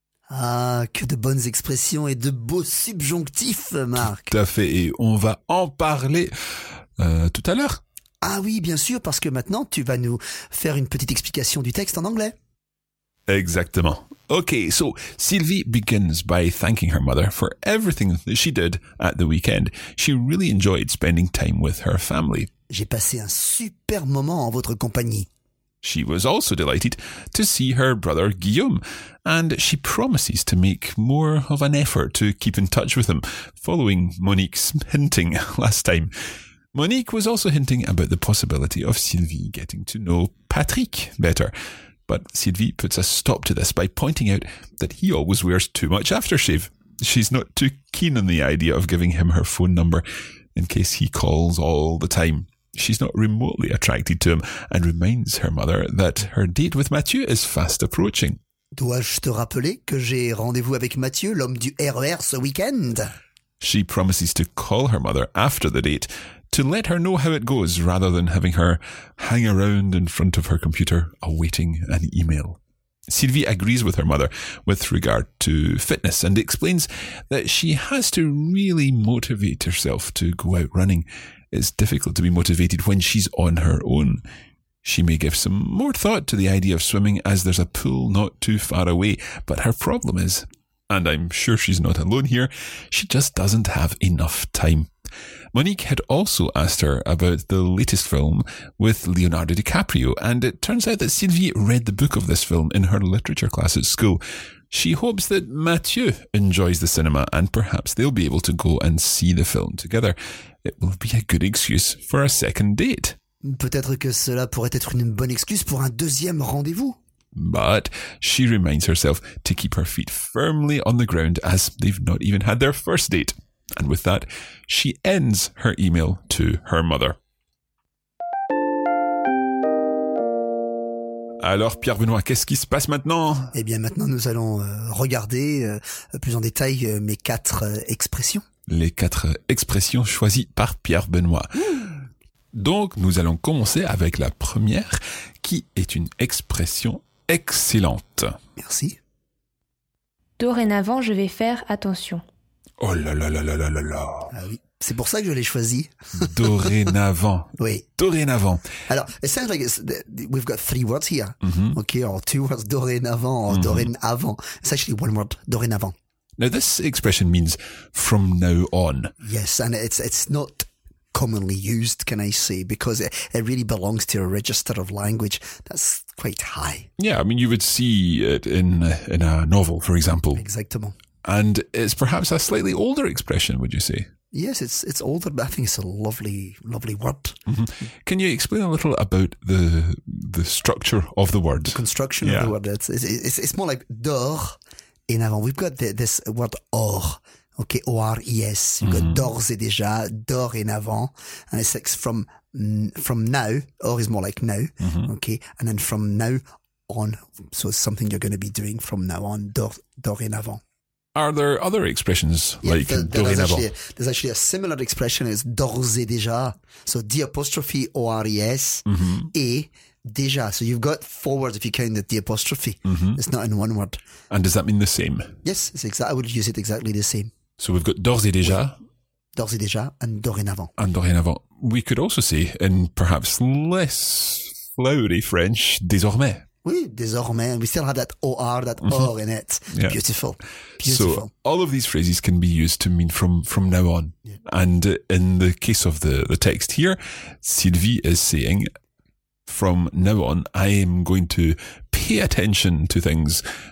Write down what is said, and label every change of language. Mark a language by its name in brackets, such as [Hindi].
[French] Ah, que de bonnes expressions et de beaux subjonctifs, Marc. Tout à fait, et on va en parler tout à l'heure. Ah oui, bien sûr, parce que maintenant, tu vas nous faire une petite explication du texte en anglais. Exactement. [English] Okay, so Sylvie begins by thanking her mother for everything that she did at the weekend. She really enjoyed spending time with her family. [French] J'ai passé un super moment en votre compagnie. [English] She was also delighted to see her brother Guillaume, and she promises to make more of an effort to keep in touch with him, following Monique's hinting last time. Monique was also hinting about the possibility of Sylvie getting to know Patrick better. But Sylvie puts a stop to this by pointing out that he always wears too much aftershave. She's not too keen on the idea of giving him her phone number in case he calls all the time. She's not remotely attracted to him and reminds her mother that her date with Mathieu is fast approaching. [French] Dois-je te rappeler que j'ai rendez-vous avec Mathieu, l'homme du RER, ce week-end? [English] She promises to call her mother after the date to let her know how it goes rather than having her hang around in front of her computer awaiting an email. Sylvie agrees with her mother with regard to fitness and explains that she has to really motivate herself to go out running. It's difficult to be motivated when she's on her own. She may give some more thought to the idea of swimming as there's a pool not too far away, but her problem is, and I'm sure she's not alone here, she just doesn't have enough time. Monique had also asked her about the latest film with Leonardo DiCaprio, and it turns out that Sylvie read the book of this film in her literature class at school. She hopes that Mathieu enjoys the cinema and perhaps they'll be able to go and see the film together. It will be a good excuse for a second date. [French] Peut-être que cela pourrait être une bonne excuse pour un deuxième rendez-vous. [English] But she reminds herself to keep her feet firmly on the ground as they've not even had their first date. And with that, she ends her email to her mother. [French] Alors Pierre-Benoît, qu'est-ce qui se passe maintenant? Eh bien maintenant nous allons regarder plus en détail mes quatre expressions. Les quatre expressions choisies par Pierre-Benoît. Donc nous allons commencer avec la première qui est une expression excellente. Merci. Dorénavant je vais faire attention. Oh là là là là là là là. Ah oui. C'est pour ça que je l'ai choisi. Dorénavant. Oui. Dorénavant. [English] Alors, it sounds like we've got three words here. Mm-hmm. Okay, or two words, dorénavant, or dorénavant. It's actually one word, dorénavant. Now, this expression means from now on. Yes, and it's not commonly used, can I say, because it really belongs to a register of language that's quite high. Yeah, I mean, you would see it in a novel, for example. [French] Exactement. [English] And it's perhaps a slightly older expression, would you say? Yes, it's older, but I think it's a lovely, lovely word. Mm-hmm. Can you explain a little about the structure of the word? The construction of the word. It's more like dorénavant. We've got this word or, okay, O-R-E-S. You've got d'ores et déjà, dorénavant. And it's like from now, or is more like now, okay? And then from now on, so it's something you're going to be doing from now on, dorénavant. Are there other expressions like dorénavant? There's actually a similar expression as d'ores et déjà. So D apostrophe O-R-E-S, et déjà. So you've got four words if you count the apostrophe. Mm-hmm. It's not in one word. And does that mean the same? Yes, I would use it exactly the same. So we've got d'ores et déjà. [French] Oui. D'ores et déjà and dorénavant. [English] And dorénavant. We could also say in perhaps less flowery French, désormais. Oui, désormais, and we still have that OR, that OR in it. Yeah. Beautiful. Beautiful. So all of these phrases can be used to mean from now on. Yeah. And in the case of the text here, Sylvie is saying, from now on, I am going to pay attention to things.